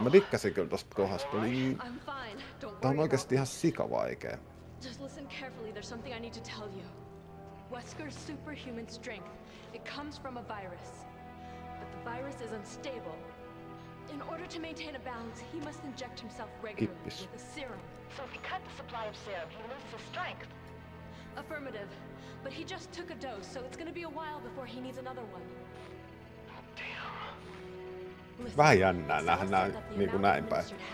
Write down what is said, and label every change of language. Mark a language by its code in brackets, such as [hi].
[fi] Mä dikkasin kyllä tosta kohdasta. Oli... Tää on oikeesti ihan sikavaikee. [en] Just listen carefully, there's something I need to tell you. Wesker's superhuman strength, it comes from a virus. But the virus is unstable. In order to maintain a balance, he must inject himself regularly with the serum. So if he cut the supply of serum, he loses his strength. Affirmative. But he just took a dose, so it's gonna be a while before he needs another one. [fi] Vähän jännää nähdä niin kuin näin päin.